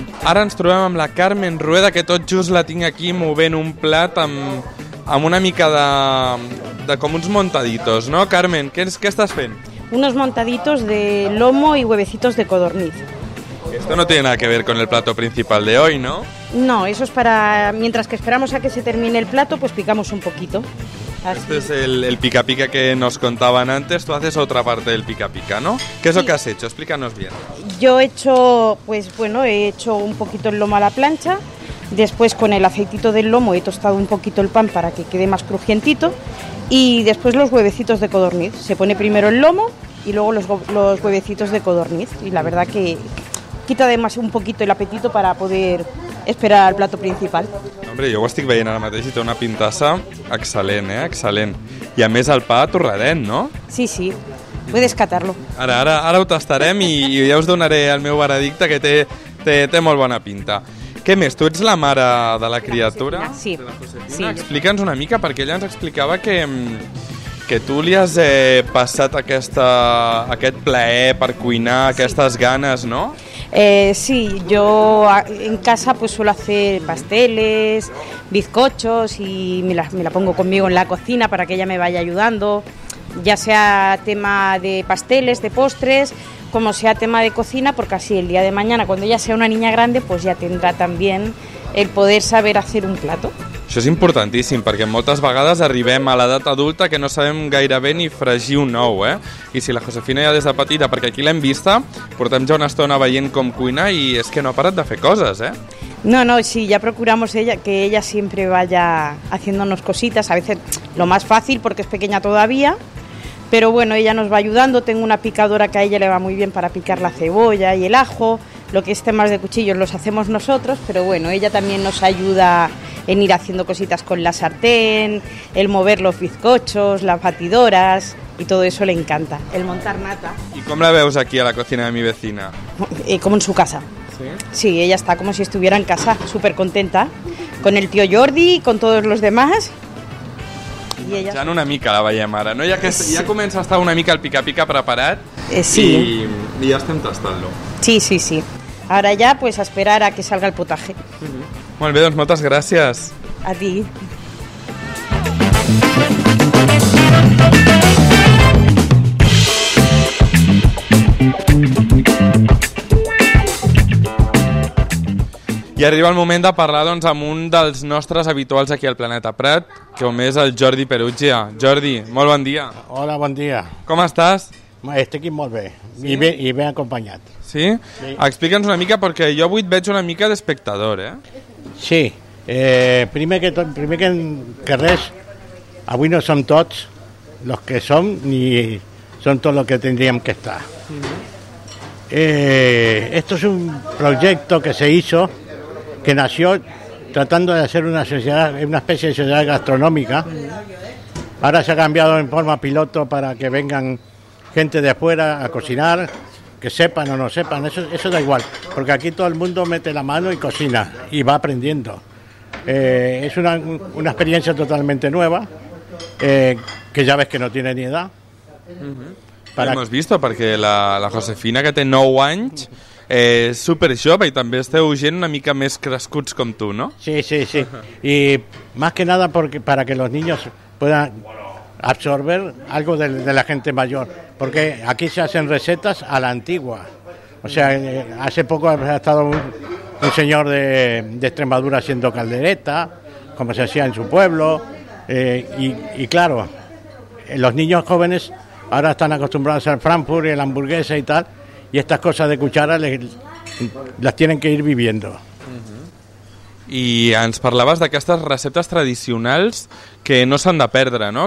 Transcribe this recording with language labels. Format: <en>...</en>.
<ca>Ara ens trobem amb la Carmen Rueda, que tot just la tinc aquí movent un plat amb una mica de com uns montaditos, no? Carmen, què estàs fent?</ca> <es>Unos montaditos de lomo y huevecitos de codorniz. Esto no tiene nada que ver con el plato principal de hoy, ¿no? No, eso es para... Mientras que esperamos a que se termine el plato, pues picamos un poquito. Así. Este es el pica-pica que nos contaban antes. Tú haces otra parte del pica-pica, ¿no? ¿Qué es lo que has hecho? Explícanos bien. Yo he hecho... Pues bueno, he hecho un poquito el lomo a la plancha. Después con el aceitito del lomo he tostado un poquito el pan para que quede más crujientito. Y después los huevecitos de codorniz. Se pone primero el lomo y luego los huevecitos de codorniz. Y la verdad que quita además un poquito el apetito para poder esperar al plato principal.</es> <ca>Hombre, jo ho estic veient ara mateix i té una pintassa excel·lent, eh? Excel·lent. I a més el pa torradent, no?</ca> <es>Sí, sí. Puedes catarlo.</es> <ca>Ara ho tastarem i ja us donaré el meu veredicte, que té molt bona pinta. Què més? Tu ets la mare de la criatura? Sí. Sí. Explica'ns una mica, perquè ella ens explicava que tu li has passat aquest plaer per cuinar, aquestes sí. ganes, no?</ca> <es>Sí, yo en casa pues suelo hacer pasteles, bizcochos y me la pongo conmigo en la cocina para que ella me vaya ayudando, ya sea tema de pasteles, de postres, como sea tema de cocina, porque así el día de mañana cuando ella sea una niña grande pues ya tendrá también el poder saber hacer un plato.</es> <ca>Això és importantíssim, perquè moltes vegades arribem a l'edat adulta que no sabem gaire bé ni fregir un ou, eh? I si la Josefina ja des de petita, perquè aquí l'hem vista, portem ja una estona veient com cuina i és que no ha parat de fer coses, eh?</ca> <es>No, sí, ya procuramos que ella siempre vaya haciéndonos cositas, a veces lo más fácil porque es pequeña todavía, pero bueno, ella nos va ayudando, tengo una picadora que a ella le va muy bien para picar la cebolla y el ajo, lo que es temas de cuchillos los hacemos nosotros, pero bueno, ella también nos ayuda en ir haciendo cositas con la sartén, el mover los bizcochos, las batidoras, y todo eso le encanta, el montar nata. ¿Y cómo la</es> <ca>veus</ca> <es>aquí a la cocina de mi vecina? Como en su casa. ¿Sí? Sí, ella está como si estuviera en casa, súper contenta, con el tío Jordi y con todos los demás. Y ella...</es> <ca>Ja en una mica la veiem ara, no? Ja que sí. Ja comença a estar una mica el pica-pica preparat. Sí. I ja estem tastant-lo. Sí, sí, sí.</ca> <es>Ahora ya, pues a esperar a que salga el potaje.</es> <ca>Molt bé, doncs moltes gràcies.</ca> <es>A ti.</es> <ca>I arriba el moment de parlar doncs, amb un dels nostres habituals aquí al Planeta Prat, com és el Jordi Perugia. Jordi, molt bon dia. Hola, bon dia. Com estàs? Estic molt bé. Sí? I ben acompanyat. Sí? Sí. Explica'ns una mica, perquè jo avui et veig una mica d'espectador, eh? Sí, primer que res, avui no som tots els que som ni som tots els que tindríem que estar.</ca> <es>Esto es un proyecto que se hizo, que nació tratando de hacer una sociedad, una especie de sociedad gastronómica. Ahora se ha cambiado en forma piloto para que vengan gente de afuera a cocinar. Que sepan o no sepan, eso da igual, porque aquí todo el mundo mete la mano y cocina, y va aprendiendo. Es una experiencia totalmente nueva, que ya ves que no tiene ni edad. Uh-huh. Hemos visto, porque</es> <ca>la Josefina, que té 9 anys, és súper jove, i també esteu gent una mica més crescuts com tu, no? Sí, sí, sí. Uh-huh.</ca> <es>Y más que nada para que los niños puedan absorber algo de la gente mayor, porque aquí se hacen recetas a la antigua. O sea, hace poco ha estado un señor de Extremadura haciendo caldereta, como se hacía en su pueblo, y claro, los niños jóvenes ahora están acostumbrados al Frankfurt y a la hamburguesa y tal, y estas cosas de cuchara las tienen que ir viviendo.</es> <ca>I ens parlaves d'aquestes receptes tradicionals que no s'han de perdre, no?</ca>